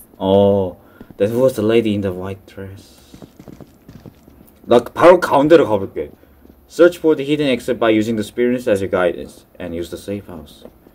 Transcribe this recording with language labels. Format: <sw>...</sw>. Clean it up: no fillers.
<en>어, that was the lady in the white dress.</en> <ko>나 바로 가운데로 가볼게.</ko> <en>Search for the hidden exit by using the spirits as your guidance and use the safe house.</en>